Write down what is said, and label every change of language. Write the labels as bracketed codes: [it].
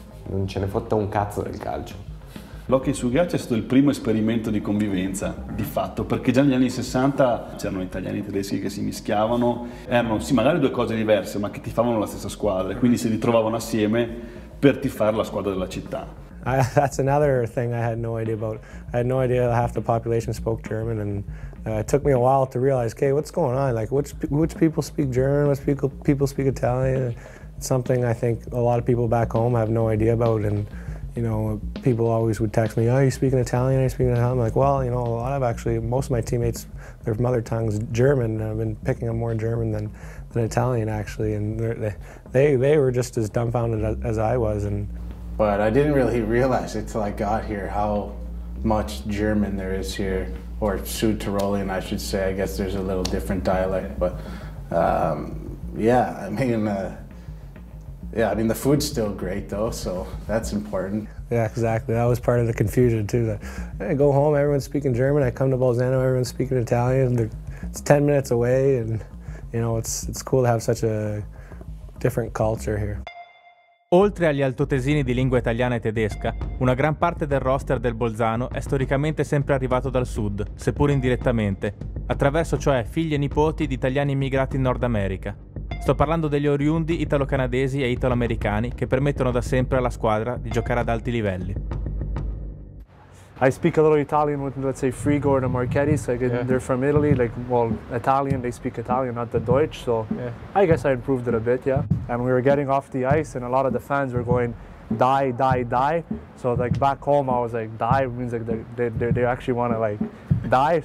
[it] Non ce ne fotta un cazzo del calcio. L'hockey su ghiaccio è stato il primo esperimento di convivenza, di fatto, perché già negli anni 60 c'erano italiani e tedeschi che si mischiavano, erano sì magari due cose diverse, ma che tifavano la stessa squadra, e quindi si ritrovavano assieme per tifare la squadra della città. [en] That's another thing I had no idea about. I had no idea that half the population spoke German, and it took me a while to realize, okay, what's going on? Like, which people speak German? Which people speak Italian? It's something I think a lot of people back home have no idea about. And you know, people always would text me, "Oh, you speak Italian? Are you speaking Italian?" I'm like, well, you know, most of my teammates, their mother tongue is German. And I've been picking up more German an Italian actually, and they were just as dumbfounded as I was. And but I didn't really realize it till I got here how much German there is here, or Sudtirolian, I should say. I guess there's a little different dialect, but I mean the food's still great though, so that's important. Yeah, exactly. That was part of the confusion too. That I go home, everyone's speaking German. I come to Bolzano, everyone's speaking Italian. It's 10 minutes away, and you know, it's cool to have such a different culture here. [it] Oltre agli altotesini di lingua italiana e tedesca, una gran parte del roster del Bolzano è storicamente sempre arrivato dal sud, seppur indirettamente, attraverso cioè figli e nipoti di italiani immigrati in Nord America. Sto parlando degli oriundi italo-canadesi e italo-americani che permettono da sempre alla squadra di giocare ad alti livelli. [en] I speak a little Italian with, let's say, Frigo and Marchetti, so I get, yeah. They're from Italy, like, well, Italian, they speak Italian, not the Deutsch, so yeah. I guess I improved it a bit, yeah. And we were getting off the ice, and a lot of the fans were going, die, die, die. So, like, back home, I was like, die means, like, they actually want to, like, die.